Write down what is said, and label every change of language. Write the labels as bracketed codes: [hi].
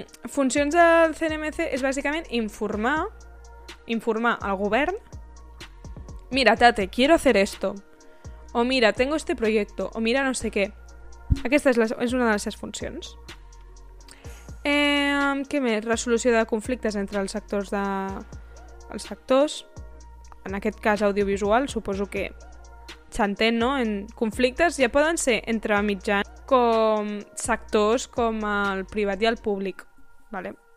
[ca] Funcions del CNMC és bàsicament informar al govern. [es] Mira, tate, quiero hacer esto. O mira, tengo este proyecto. O mira, no sé qué. [ca] Aquesta és una de les seves funcions. Què més? Resolució de conflictes entre els sectors de... els sectors. En aquest cas, audiovisual, suposo que s'entén, no? En conflictes ja poden ser entre mitjans com sectors com el privat i el públic, vale?